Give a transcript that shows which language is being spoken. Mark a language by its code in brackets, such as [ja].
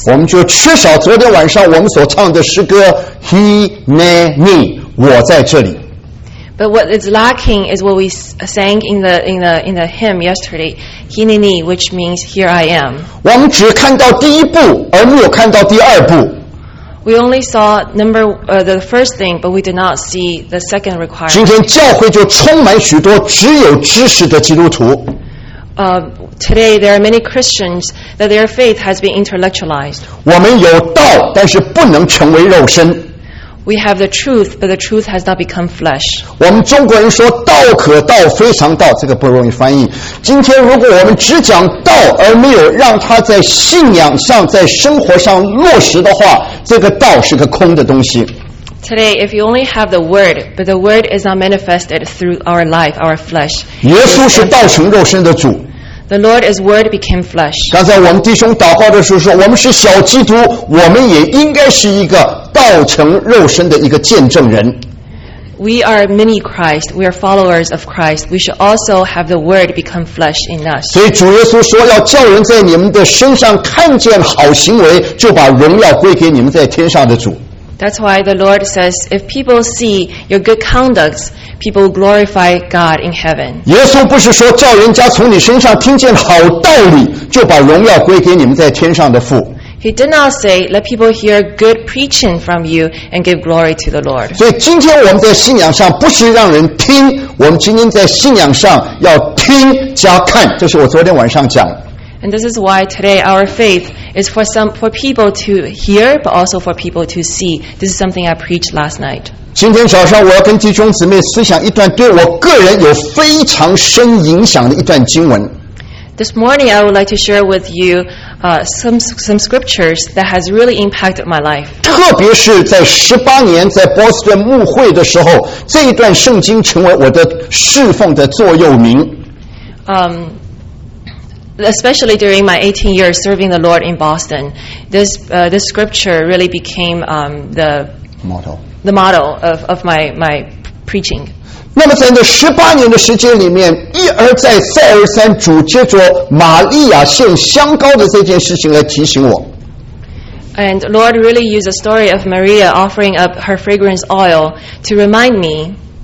[zh] 我们就缺少昨天晚上我们所唱的诗歌 He, Me, Me, 我在这里。 [en] But what is lacking is what we sang in the hymn yesterday, He, Me, Me, which means Here I Am. [zh] 我们只看到第一步，而没有看到第二步。 [en] We only saw the first thing, but we did not see the second requirement. [zh] 今天教会就充满许多只有知识的基督徒。 [en] Today there are many Christians that their faith has been intellectualized. [zh] 我们有道，但是不能成为肉身。 [en] We have the truth, but the truth has not become flesh. [zh] 我们中国人说道可道，非常道，这个不容易翻译。今天如果我们只讲道，而没有让它在信仰上、在生活上落实的话，这个道是个空的东西。 [en] Today, if you only have the word, but the word is not manifested through our life, our flesh. [zh] 耶稣是道成肉身的主。 [en] The Lord is word became flesh. [zh] 刚才我们弟兄祷告的时候说，我们是小基督，我们也应该是一个道成肉身的一个见证人。 [en] We are mini Christ, we are followers of Christ. We should also have the word become flesh in us. [zh] 所以主耶稣说，要叫人在你们的身上看见好行为，就把荣耀归给你们在天上的主。 [en] That's why the Lord says, if people see your good conducts, people glorify God in heaven. [zh] 耶稣不是说叫人家从你身上听见好道理，就把荣耀归给你们在天上的父。 [en] He did not say, let people hear good preaching from you and give glory to the Lord. [zh] 所以今天我们在信仰上不是让人听，我们今天在信仰上要听加看，这是我昨天晚上讲的。 [en] And this is why today our faith is for people to hear, but also for people to see. This is something I preached last night. [zh] 今天早上我要跟弟兄姊妹思想一段对我个人有非常深影响的一段经文。 [en] This morning I would like to share with you some scriptures that has really impacted my life. [zh] 特别是在18年在波士顿牧会的时候，这一段圣经成为我的侍奉的座右铭。 [en] Especially during my 18 years serving the Lord in Boston, this scripture really became the motto. The motto of my preaching. [zh] 那么在那18年的时间里面，一而再，再而三，主借着玛利亚献香膏的这件事情来提醒我。 [en] And Lord really used the story of Maria offering up her fragrance oil to remind me.